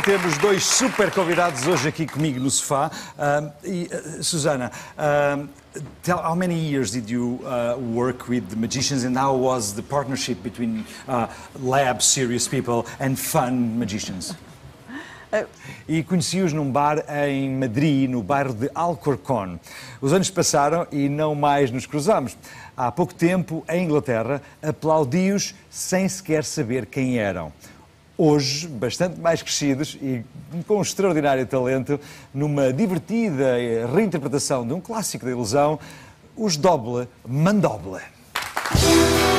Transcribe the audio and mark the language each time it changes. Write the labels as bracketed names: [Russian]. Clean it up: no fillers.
[Portuguese] Temos dois super convidados hoje aqui comigo no sofá. [English] Susana, how many years did you work with the magicians, and how was the partnership between lab serious people and fun magicians? [Portuguese] E conheci-os num bar em Madrid, no bairro de Alcorcón. Os anos passaram e não mais nos cruzamos. Há pouco tempo, em Inglaterra, aplaudi-os sem sequer saber quem eram. Hoje, bastante mais crescidos e com um extraordinário talento, numa divertida reinterpretação de um clássico da ilusão, os Doble Mandoble.